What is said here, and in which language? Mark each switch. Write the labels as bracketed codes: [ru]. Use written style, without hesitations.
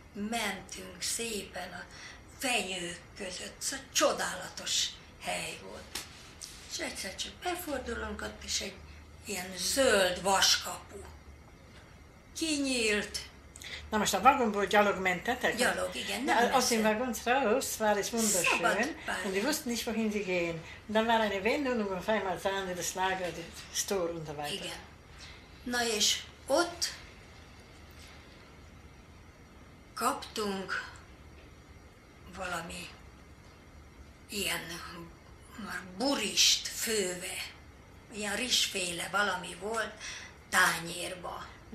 [hu] Mentünk szépen a fenyők között. Szóval csodálatos hely volt. És egyszer csak befordulunk, ott is egy ilyen zöld vaskapu kinyílt. Na most a vagonból gyalog mentetek? Gyalog, igen. Nem messze. [de] Aus dem Waggon raus war es wunderschön. Und wir wussten nicht, wohin sie gehen. Und dann war eine Wendung, und auf einmal sahen wir das Lager, das Tor und so weiter. [hu] Igen. Na és ott kaptunk valami ilyen burist főve, ilyen rizsféle valami volt tányérba.